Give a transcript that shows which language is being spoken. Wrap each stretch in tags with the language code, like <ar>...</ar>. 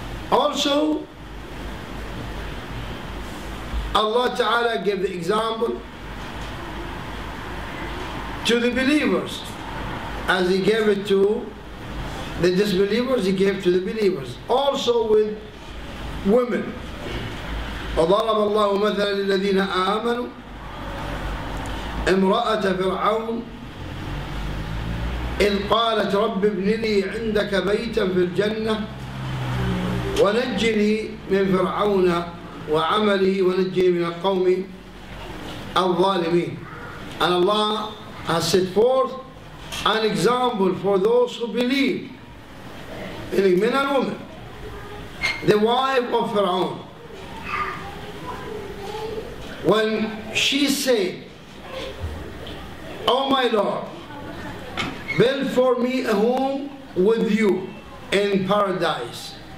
<en>Also, Allah Ta'ala gave the example to the believers, as He gave it to the disbelievers, He gave to the believers. Also with women.</en> <ar>وضرب الله مثلا للذين آمنوا امرأة فرعون إذ قالت رب ابن لي عندك بيتا في الجنة ونجني من فرعون وعمله ونجني من القوم الظالمين.</ar> <en>And Allah has set forth an example for those who believe, meaning men and women, the wife of Fir'aun. When she said, Oh my Lord, build for me a home with you in paradise</en>